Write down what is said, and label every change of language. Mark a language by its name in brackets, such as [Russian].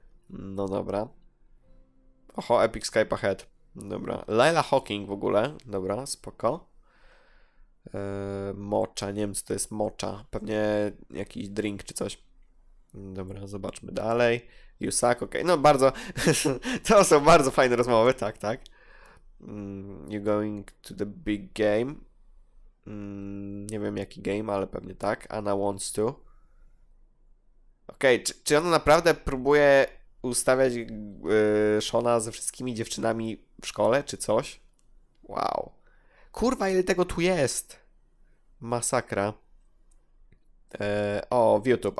[Polish] No dobra. [English] Oho, epic Skype ahead. [Polish] Dobra. Layla Hawking w ogóle. Dobra, spoko. Mocha. Nie wiem, co to jest mocha. Pewnie jakiś drink czy coś. Dobra, zobaczmy dalej. Yusak, okej. No bardzo... to są bardzo fajne rozmowy. Tak, tak. [English] You're going to the big game. [Polish] Nie wiem, jaki game, ale pewnie tak. [English] Anna wants to. [Polish] Okej, czy ona naprawdę próbuje... ustawiać Shona ze wszystkimi dziewczynami w szkole, czy coś? Wow. Kurwa, ile tego tu jest? Masakra. O, w YouTube.